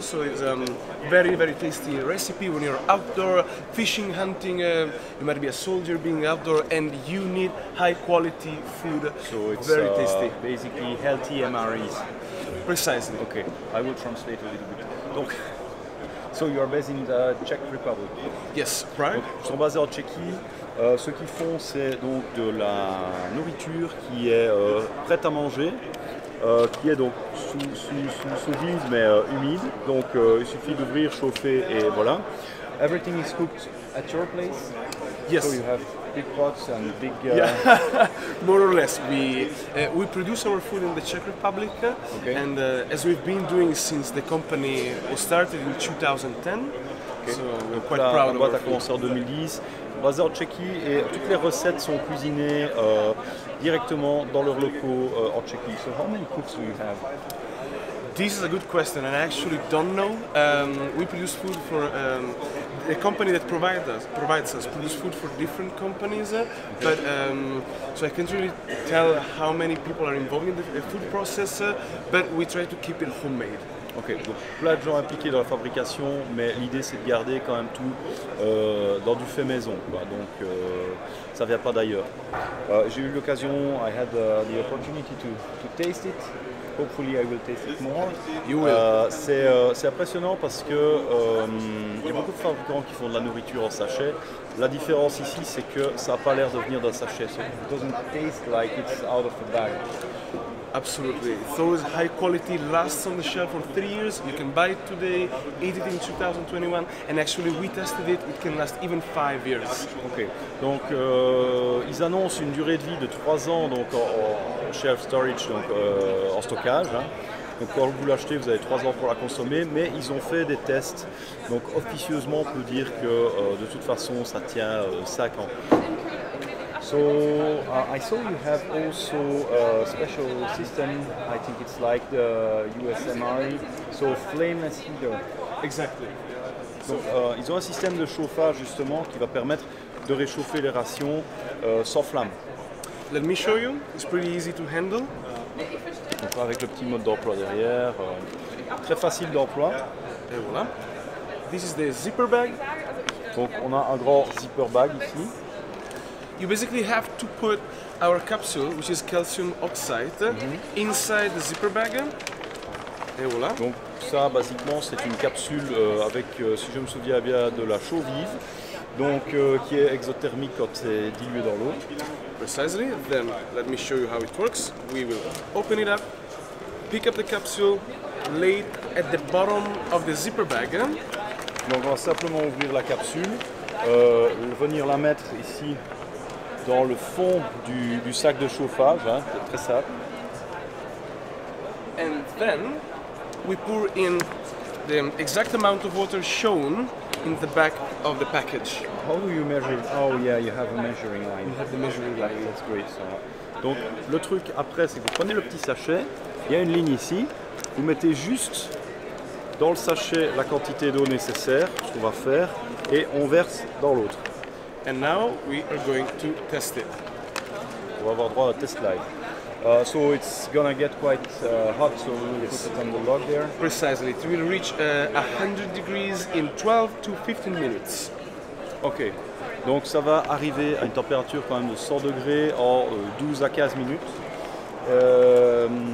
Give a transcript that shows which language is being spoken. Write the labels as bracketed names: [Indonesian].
[English] So it's a very, very tasty recipe when you're outdoor fishing, hunting. You might be a soldier being outdoor and you need high quality food. So it's very tasty. Basically healthy MREs. Precisely. Okay, I will translate a little bit. Donc, so you are based in the Czech Republic. Yes, right. [French] Ils sont basés en Tchéquie. Ce qu'ils font, c'est donc de la nourriture qui est prête à manger. Qui est donc sous vide mais humide, donc il suffit d'ouvrir, chauffer et voilà. [English] Everything is cooked at your place. Yes. So you have big pots and big. More or less, we produce our food in the Czech Republic, okay. And as we've been doing since the company was started in 2010. Okay. So we're quite proud of our [French] boîte a commencé en 2010. Basé en Tchéquie et toutes les recettes sont cuisinées directement dans leurs locaux en Tchéquie. [English] So how many cooks do you have? This is a good question and I actually don't know. We produce food for a company that provides us food for different companies, but so I can't really tell how many people are involved in the food process, but we try to keep it homemade. [French] Ok, donc plein de gens impliqués dans la fabrication, mais l'idée c'est de garder quand même tout dans du fait maison, quoi. Donc ça vient pas d'ailleurs. J'ai eu l'occasion, [English] I had the opportunity to taste it. Hopefully I will taste it more. You will. [French] C'est impressionnant parce que il y a beaucoup de fabricants qui font de la nourriture en sachet. La différence ici, c'est que ça a pas l'air de venir d'un sachet. [English] So it doesn't taste like it's out of a bag. Absolutely. So it's high quality, lasts on the shelf for 3 years. You can buy it today, eat it in 2021, and actually we tested it, it can last even 5 years. Okay. [French] Donc, ils annoncent une durée de vie de 3 ans donc en [English] shelf storage, [French] donc en stockage. Hein. Donc quand vous l'achetez, vous avez 3 ans pour la consommer, mais ils ont fait des tests. Donc officieusement, on peut dire que de toute façon, ça tient 5 ans. [English] So I saw you have also a special system. I think it's like the USMRE. So flameless heater. Exactly. [French] Donc, ils ont un système de chauffage justement qui va permettre de réchauffer les rations sans flamme. [English] Let me show you. It's pretty easy to handle. [French] Donc avec le petit mode d'emploi derrière, très facile d'emploi. Et voilà. [English] This is the zipper bag. [French] Donc on a un grand zipper bag ici. [English] You basically have to put our capsule, which is calcium oxide, inside the zipper bag. [French] Et voilà. Donc ça, basiquement, c'est une capsule avec, si je me souviens bien, de la chaux vive, donc qui est exothermique quand c'est dilué dans l'eau. [English] Precisely. Then let me show you how it works. We will open it up, pick up the capsule, lay it at the bottom of the zipper bag. [French] Donc on va simplement ouvrir la capsule, venir la mettre ici. Dans le fond du sac de chauffage, hein, c'est très simple. [English] And then we pour in the exact amount of water shown in the back of the package. How do you measure it? Oh yeah, you have a measuring line. You have the measuring line. That's great. So. [French] Donc le truc après, c'est que vous prenez le petit sachet, il y a une ligne ici, vous mettez juste dans le sachet la quantité d'eau nécessaire, ce qu'on va faire, et on verse dans l'autre. [English] And now we are going to test it. [French] On va avoir droit à test live. [English] So it's gonna get quite hot, so we will put it on the log there. Precisely, it will reach 100 degrees in 12 to 15 minutes. [French] Okay, donc ça va arriver à une température quand même de 100 degrés en 12 à 15 minutes.